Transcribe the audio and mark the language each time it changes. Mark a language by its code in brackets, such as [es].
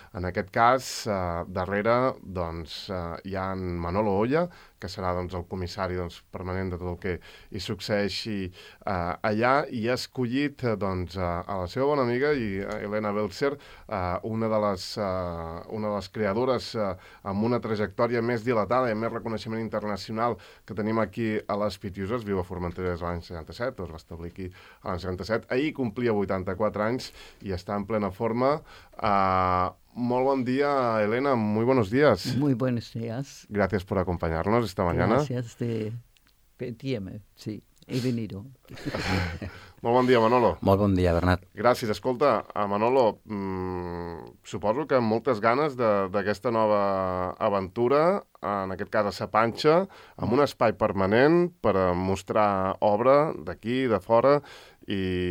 [ca] En aquest cas, darrere, doncs, hi ha en Manolo Olla, que serà doncs, el comissari doncs, permanent de tot el que hi succeeixi allà, i ha escollit doncs, a la seva bona amiga, i Helena Belzer, una de les creadores amb una trajectòria més dilatada i més reconeixement internacional que tenim aquí a les Pitiuses. Viu a Formentera des de l'any 67, es va establir aquí a l'any 67. Ahir complia 84 anys i està en plena forma. Molt bon dia, Helena. [es] Muy buenos días. Muy buenos días. Gracias por acompañarnos esta mañana. Gracias de permitirme, sí, he venido. [ca] Molt bon dia, Manolo. Molt bon dia, Bernat. Gràcies. Escolta, Manolo, suposo que amb moltes ganes d'aquesta nova aventura, en aquest cas a Sa Panxa, amb un espai permanent per a mostrar obra d'aquí, de fora, i...